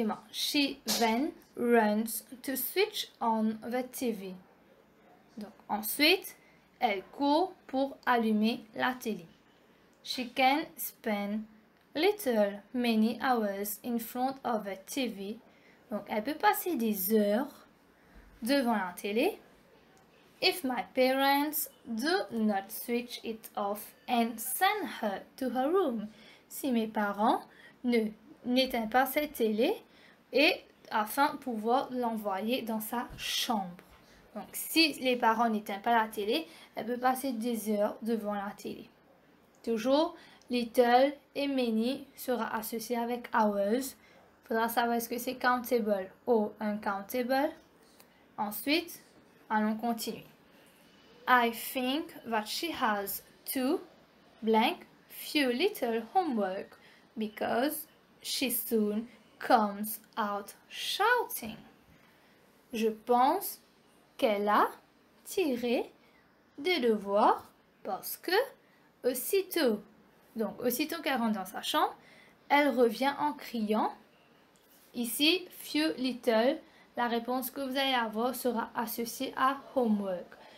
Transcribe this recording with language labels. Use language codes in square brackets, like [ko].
[en] She then runs to switch on the TV. [fr] Donc, ensuite, elle court pour allumer la télé. [en] She can spend little many hours in front of the TV. [fr] Donc, elle peut passer des heures devant la télé. [en] If my parents do not switch it off and send her to her room. [fr] Si mes parents n'éteignent pas cette télé et afin de pouvoir l'envoyer dans sa chambre. Donc, si les parents n'éteignent pas la télé, elle peut passer des heures devant la télé. Toujours, little et many sera associé avec hours. Il faudra savoir est-ce que c'est countable ou uncountable. Ensuite, allons continuer. [en] I think that she has two blank few little homework because she soon comes out shouting. [fr] Je pense qu'elle a tiré des devoirs parce que aussitôt qu'elle rentre dans sa chambre, elle revient en criant. Ici, few little, la réponse que vous allez avoir sera associée à homework.